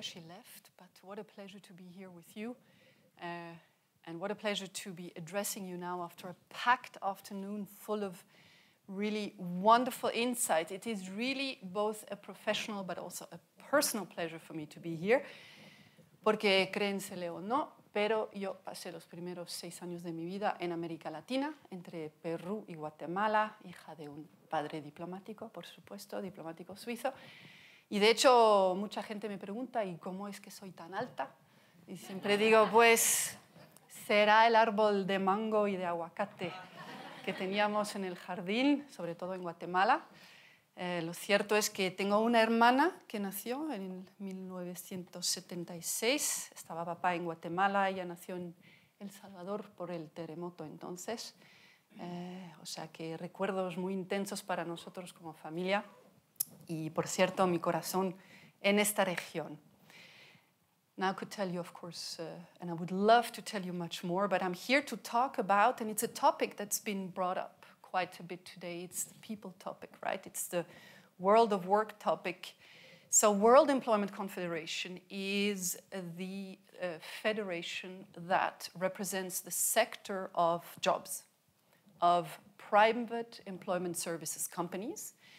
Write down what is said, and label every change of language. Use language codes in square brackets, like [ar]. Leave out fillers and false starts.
[en] She left, but what a pleasure to be here with you. And what a pleasure to be addressing you now after a packed afternoon full of really wonderful insight. It is really both a professional but also a personal pleasure for me to be here. [es] Porque créensele o no, pero yo pasé los primeros 6 años de mi vida en América Latina, entre Perú y Guatemala, hija de un padre diplomático, por supuesto, diplomático suizo. Y de hecho, mucha gente me pregunta, ¿y cómo es que soy tan alta? Y siempre digo, pues, será el árbol de mango y de aguacate que teníamos en el jardín, sobre todo en Guatemala. Lo cierto es que tengo una hermana que nació en 1976. Estaba papá en Guatemala, ella nació en El Salvador por el terremoto entonces. O sea que recuerdos muy intensos para nosotros como familia. Y, por cierto, mi corazón en esta región. [en] Now I could tell you, of course, and I would love to tell you much more, but I'm here to talk about, and it's a topic that's been brought up quite a bit today. It's the people topic, right? It's the world of work topic. So World Employment Confederation is the federation that represents the sector of jobs, of private employment services companies.